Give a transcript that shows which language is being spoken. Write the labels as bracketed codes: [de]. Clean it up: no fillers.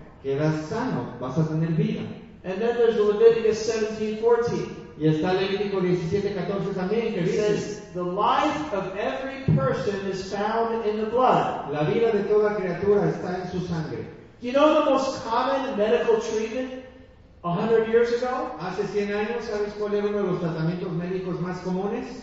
[es] Quedas sano, vas a tener vida. [en] And then there's Leviticus 17:14. [es] Y está Levítico 17:14 también que dice, [en] says, the life of every person is found in the blood. [es] La vida de toda criatura está en su sangre. [en] You know the most common medical treatment 100 years ago? [es] Hace 100 años, ¿sabes cuál era uno de los tratamientos médicos más comunes?